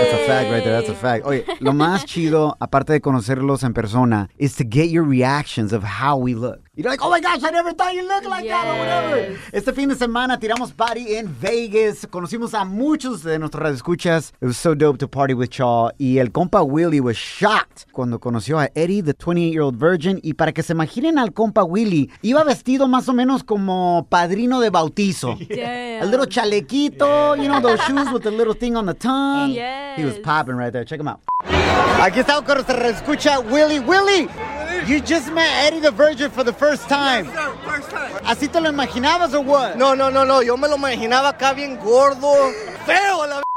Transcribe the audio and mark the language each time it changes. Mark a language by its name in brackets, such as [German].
[English] That's a fact right there. That's a fact. [Spanish] Oye, lo más chido, aparte de conocerlos en persona, [English] is to get your reactions of how we look. You're like, oh my gosh, I never thought you looked like yes. that or whatever. [Spanish] Este fin de semana tiramos [English] party in Vegas. [Spanish] Conocimos a muchos de nuestros radioescuchas. [English] It was so dope to party with y'all. [Spanish] Y el compa Willy [English] was shocked [Spanish] cuando conoció a Eddie, [English] the 28-year-old virgin. [Spanish] Y para que se imaginen al compa Willy, iba vestido más o menos como padrino de bautizo. [English] Yeah. A little chalequito, yeah. You know, those shoes with the little thing on the tongue. Yes. He was popping right there. Check him out. [Spanish] Aquí está con nuestra radioescucha, [English] Willy. Willy! You just met Eddie the Virgin for the first time. Yes, sir. First time. [Spanish] ¿Así te lo imaginabas o [English] what? [Spanish] No. Yo me lo imaginaba acá bien gordo. Feo, la verdad.